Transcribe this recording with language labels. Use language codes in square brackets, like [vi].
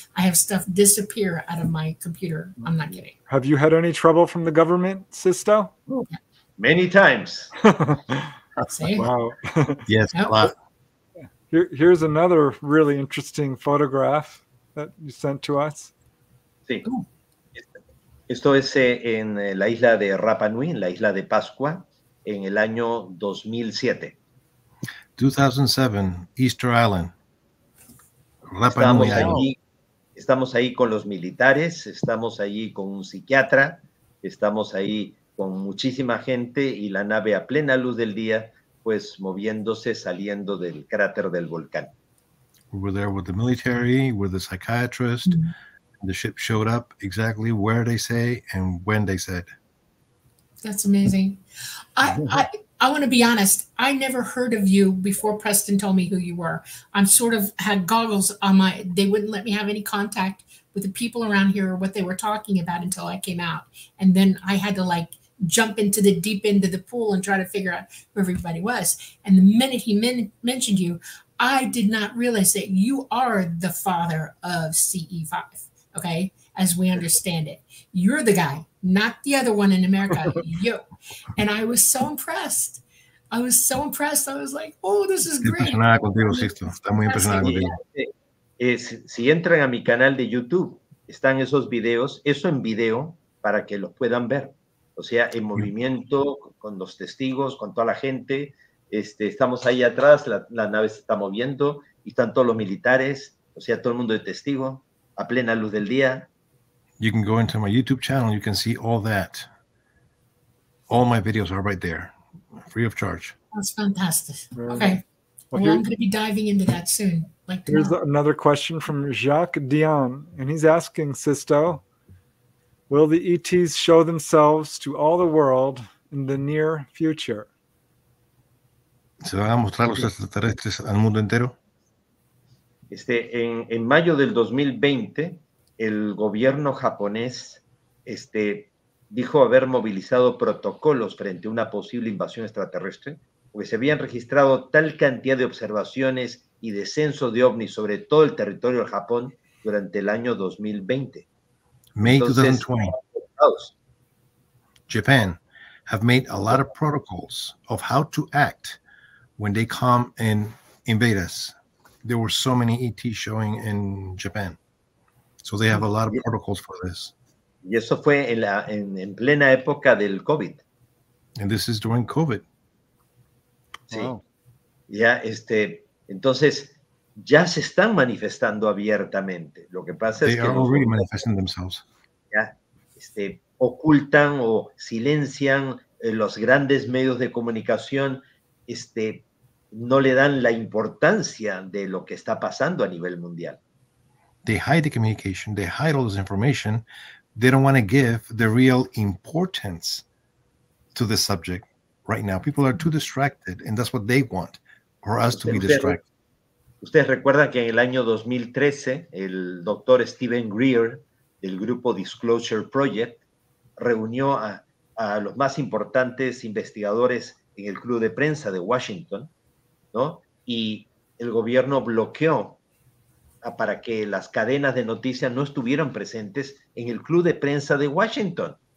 [en] I have stuff disappear out of my computer. I'm not kidding. Have you had any trouble from the government, Sisto? Yeah. Many times. Wow. Yes, a lot. Here's another really interesting photograph that you sent to us. [es] Sí. Esto es en la isla de Rapa Nui, en la isla de Pascua, en el año 2007. [en] 2007, Easter Island. Rapa Nui. [es] Estamos ahí con los militares, estamos ahí con un psiquiatra, estamos ahí con muchísima gente y la nave a plena luz del día, pues moviéndose, saliendo del cráter del volcán. [en] We were there with the military, with the psychiatrist. Mm-hmm. The ship showed up exactly where they say and when they said. That's amazing. I want to be honest. I never heard of you before Preston told me who you were. I'm sort of had goggles on my, they wouldn't let me have any contact with the people around here or what they were talking about until I came out. And then I had to like jump into the deep end of the pool and try to figure out who everybody was. And the minute he mentioned you, I did not realize that you are the father of CE5, okay, as we understand it. You're the guy, not the other one in America, you. And I was so impressed. I was so impressed. I was like, oh, this is great. [es] Si entran a mi canal de YouTube, están esos videos, eso en video, para que los puedan ver. O sea, en movimiento, con los testigos, con toda la gente. Estamos ahí atrás, la nave se está moviendo, y están todos los militares, o sea, todo el mundo de testigo, a plena luz del día. [en] You can go into my YouTube channel, you can see all that. All my videos are right there, free of charge. That's fantastic. Okay. Well, I'm going to be diving into that soon. Here's another question from Jacques Dion, and he's asking, Sisto, will the ETs show themselves to all the world in the near future? [es] ¿Se van a mostrar los extraterrestres al mundo entero? En mayo del 2020, el gobierno japonés dijo haber movilizado protocolos frente a una posible invasión extraterrestre, porque se habían registrado tal cantidad de observaciones y descenso de ovnis sobre todo el territorio del Japón durante el año 2020. [en] May 2020, Japan have made a lot of protocols of how to act when they come and invade us. There were so many ET showing in Japan. So they have a lot of protocols for this. [es] Y eso fue en plena época del COVID. [en] And this is during COVID. [es] Sí. Wow. Ya, entonces ya se están manifestando abiertamente. Lo que pasa [en] they [es] es que [en] they are already manifesting themselves. [es] Ya, ocultan o silencian los grandes medios de comunicación, no le dan la importancia de lo que está pasando a nivel mundial. [en] They hide the communication, they hide all this information, they don't want to give the real importance to the subject right now. People are too distracted, and that's what they want, for us to be distracted. [es] Ustedes recuerdan que en el año 2013, el doctor Steven Greer, del grupo Disclosure Project, reunió a los más importantes investigadores en el club de prensa de Washington, ¿no? Y el gobierno bloqueó para que las cadenas de noticias no estuvieran presentes en el club de prensa de Washington.